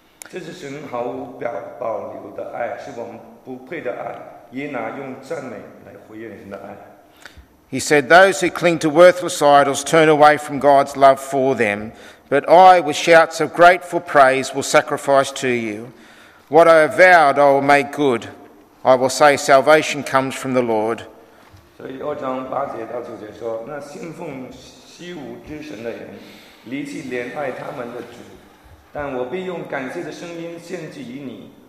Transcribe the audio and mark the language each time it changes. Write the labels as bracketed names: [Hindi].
[Chinese] 这是神毫无保留的爱，是我们不配的爱。耶拿用赞美来回应神的爱。 [English] He said, "Those who cling to worthless idols turn away from God's love for them, but I, with shouts of grateful praise, will sacrifice to you." What I have vowed, I will make good. I will say, salvation comes from the Lord. [Chinese] 所以二章八节到九节说，那信奉虚无之神的人，离弃怜爱他们的主，但我必用感谢的声音献祭于你。